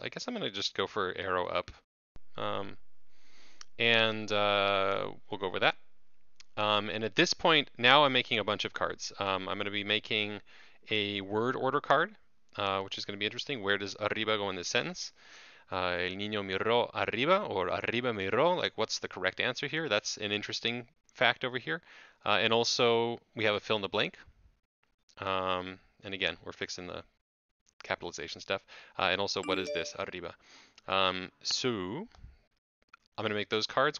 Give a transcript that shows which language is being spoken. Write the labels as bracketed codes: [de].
[en] I guess I'm going to just go for arrow up. We'll go over that. And at this point, now I'm making a bunch of cards. I'm going to be making a word order card, which is going to be interesting. Where does arriba go in this sentence? [es] El niño miró arriba or arriba miró? [en] Like, what's the correct answer here? That's an interesting fact over here. And also, we have a fill in the blank. And again, we're fixing the capitalization stuff. And also, what is this? Arriba. I'm going to make those cards.